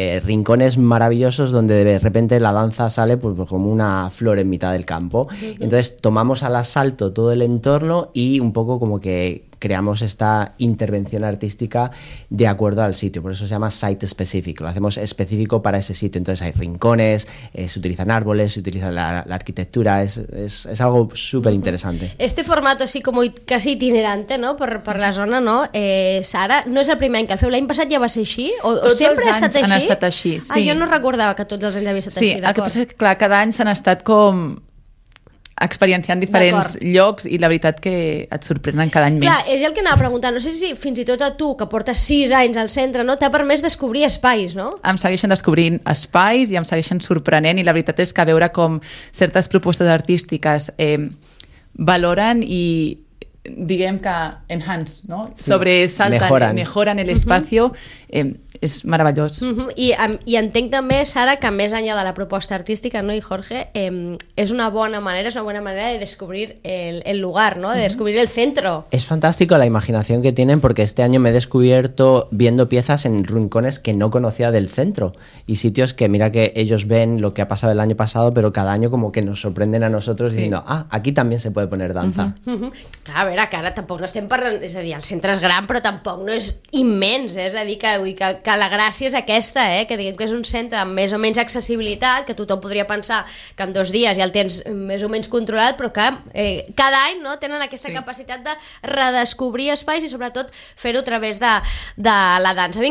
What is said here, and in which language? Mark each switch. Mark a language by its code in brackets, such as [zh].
[es] rincones maravillosos donde de repente la danza sale pues como una flor en mitad del campo, uh-huh, entonces tomamos al asalto todo el entorno y un poco como que creamos esta intervención artística de acuerdo al sitio, por eso se llama site specific, lo hacemos específico para ese sitio, entonces hay rincones, se utilizan árboles, se utiliza la arquitectura, es algo súper interesante. Este formato así como casi itinerante, ¿no? Por la zona, ¿no? [ca] Sara, ¿no es el primer any que el feu? L'any passat ja va ser així? O sempre ha estat així? Han estat així, sí. Ah, jo no recordava que tots els anys havia estat sí, així, d'acord. Sí, el que passa és que clar, cada any s'han estat com experienciant diferents llocs i la veritat que et sorprenen cada any clar, més. És el que anava a preguntar, no sé si fins i tot a tu que portes 6 anys al centre, no, t'ha permès descobrir espais, no? Em segueixen descobrint espais i em segueixen sorprenent i la veritat és que veure com certes propostes artístiques valoren i diguem que enhance, no? Sí, sobresalten, [es] mejoran [ca] el espai, és meravellós. I entenc també, Sara, que més enllà de la proposta artística, no, i Jorge, és una bona manera, és una bona manera de descobrir el lugar, no? De descobrir el centro. És fantàstico la imaginació que tenen, perquè este any m'he descobert [es] viendo piezas en rincones que no conocía del centro i sitios que mira que ellos ven lo que ha pasado el año pasado, pero cada año como que nos sorprenden a nosotros, sí, diciendo, ah, aquí también se puede poner danza. [ca] Claro, a veure, que ara tampoc no estem parlant, és a dir, el centre és gran, però tampoc no és immens, és a dir, que vull que la gràcia és aquesta, que diguem que és un centre amb més o menys accessibilitat, que tothom podria pensar que en 2 dies ja el tens més o menys controlat, però que cada any, no, tenen aquesta, sí, capacitat de redescobrir espais i sobretot fer-ho a través de la dansa.